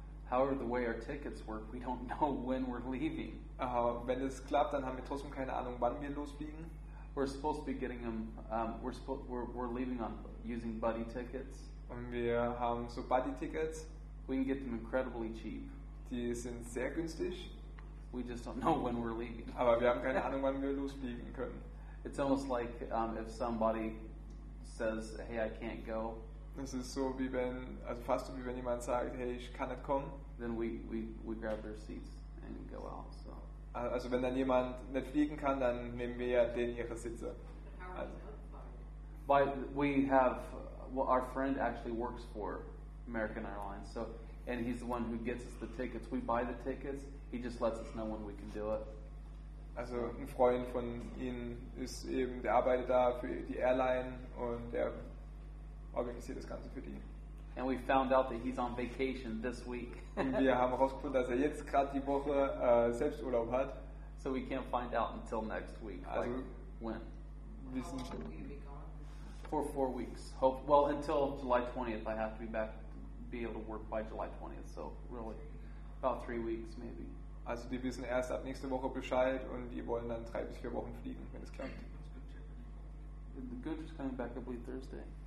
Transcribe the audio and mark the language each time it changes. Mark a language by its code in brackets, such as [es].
[en] However, the way our tickets work, we don't know when we're leaving. [de] Wenn es klappt, dann haben wir trotzdem keine Ahnung, wann wir losfliegen. [en] We're supposed to be getting them. We're leaving on using buddy tickets. [de] Und wir haben so buddy tickets. [en] We can get them incredibly cheap. [de] Die sind sehr günstig. [en] We just don't know when we're leaving. [de] Aber wir haben keine Ahnung, wann wir losfliegen können. [en] It's almost like if somebody says, "Hey, I can't go." [de] Es ist so wie wenn, also fast so wie wenn jemand sagt, hey, ich kann nicht kommen. [en] Then we grab their seats and go out. So. [de] Also wenn dann jemand nicht fliegen kann, dann nehmen wir ja den ihre Sitze. Also. [en] But we have well, our friend actually works for American Airlines, so and he's the one who gets us the tickets. We buy the tickets. He just lets us know when we can do it. [de] Also ein Freund von ihnen ist eben, der arbeitet da für die Airline und der organisiert das Ganze für die. [en] And we found out that he's on vacation this week. [de] Und wir haben herausgefunden, dass jetzt gerade die Woche Selbsturlaub hat. [en] So we can't find out until next week. Also like when? How long will you be gone? For 4 weeks. Hope well until July 20th. I have to be back, be able to work by July 20th. So really, about 3 weeks maybe. [de] Also die wissen erst ab nächste Woche Bescheid und die wollen dann 3 bis 4 Wochen fliegen, wenn es klappt. [en] The good is coming back, I believe, Thursday.